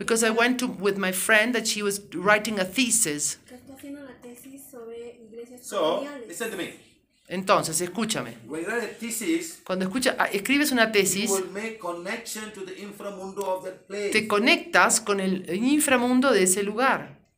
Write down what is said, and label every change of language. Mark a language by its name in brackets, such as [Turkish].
[English] Because I went to with my friend that she was writing a thesis. [Spanish] Que está haciendo la tesis sobre iglesias [English] So, [Spanish] coloniales. [English] listen to me. [Spanish] Entonces, escúchame. [English] When you write a thesis, [Spanish] Cuando escribes una tesis, [English] you will make connection to the inframundo of that place. [Spanish] te conectas con el inframundo de ese lugar.